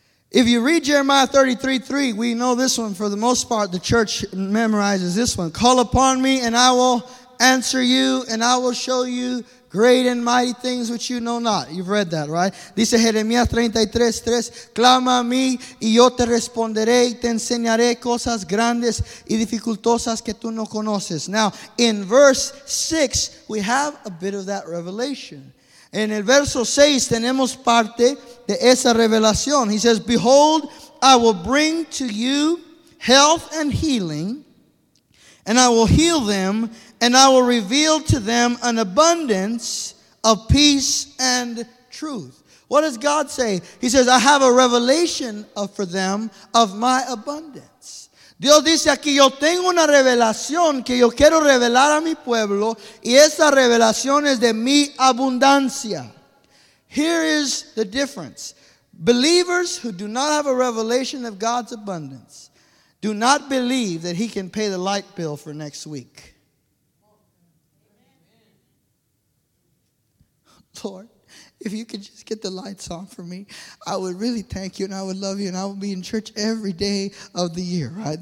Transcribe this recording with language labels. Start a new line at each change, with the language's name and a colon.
English: If you read Jeremiah 33:3, we know this one for the most part. The church memorizes this one. Call upon me and I will answer you and I will show you great and mighty things which you know not. You've read that, right?
Spanish: Dice Jeremías 33:3. Clama a mí y yo te responderé y te enseñaré cosas grandes y dificultosas que tú no conoces.
English: Now, in verse 6, we have a bit of that revelation.
Spanish: En el verso 6 tenemos parte de esa revelación.
English: He says, behold, I will bring to you health and healing, and I will heal them, and I will reveal to them an abundance of peace and truth. What does God say? He says, I have a revelation for them of my abundance.
Spanish: Dios dice aquí, yo tengo una revelación que yo quiero revelar a mi pueblo, y esa revelación es de mi abundancia.
English: Here is the difference. Believers who do not have a revelation of God's abundance do not believe that he can pay the light bill for next week. Lord, if you could just get the lights on for me, I would really thank you and I would love you and I would be in church every day of the year, right?